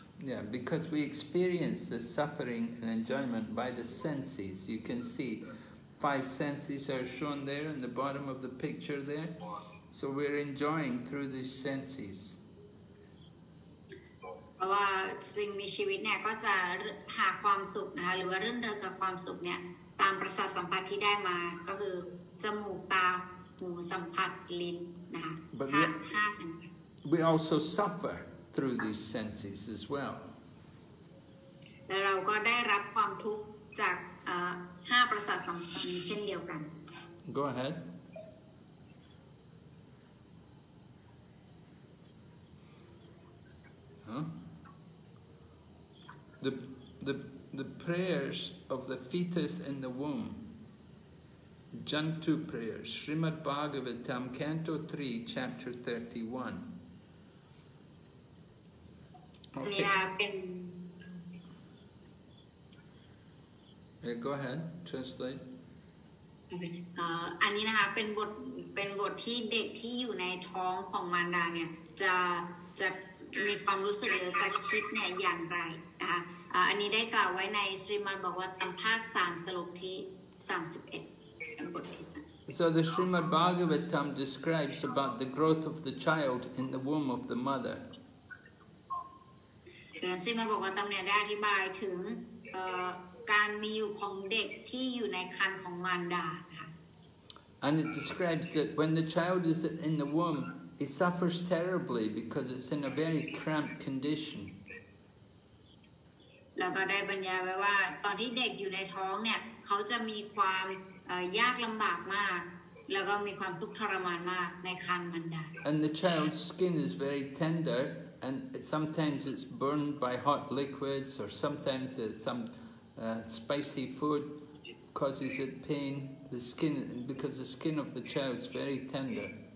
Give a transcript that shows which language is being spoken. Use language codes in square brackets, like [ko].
[en] Yeah, because we experience the suffering and enjoyment by the senses. You can see five senses are shown there in the bottom of the picture there. So we're enjoying through these senses. [th] เพราะว่าสิ่งมีชีวิตเนี่ยก็จะหาความสุขนะคะหรือว่ารื่นเริงกับความสุขเนี่ยตามประสาทสัมผัสที่ได้มาก็คือจมูกตาหูสัมผัสลิ้นนะคะห้าสัมผัส [en] We also suffer through these senses as well [th] แล้วเราก็ได้รับความทุกข์จากห้าประสาทสัมผัสนี้เช่นเดียวกัน [en] Go aheadThe prayers of the fetus in the womb, Jantu prayers, Srimad Bhagavatam, Canto 3, Chapter 31. Okay. Yeah, go ahead, translate. [th] อันนี้นะคะเป็นบทที่เด็กที่อยู่ในท้องของมารดาเนี่ยจะมีความรู้สึกหรือจะคิดเนี่ยอย่างไรนะคะอันนี้ได้กล่าวไว้ในศรีมันบอกว่าตัมภาค3สลกที่31 [en] So the Srimad Bhagavatam describes about the growth of the child in the womb of the mother [th] ศรีมันบอกว่าตัมเนี่ยได้อธิบายถึงการมีอยู่ของเด็กที่อยู่ในครรภ์ของมารดา [en] And it describes that when the child is in the womb, it suffers terribly because it's in a very cramped condition. [th] แล้วก็ได้บรรยายไว้ว่าตอนที่เด็กอยู่ในท้องเนี่ยเขาจะมีความยากลำบากมากแล้วก็มีความทุกข์ทรมานมากในครรภ์มารดา [en] And the child's skin is very tender, and sometimes it's burned by hot liquids, or sometimes there's some spicy food causes it pain the skin, because the skin of the child is very tender.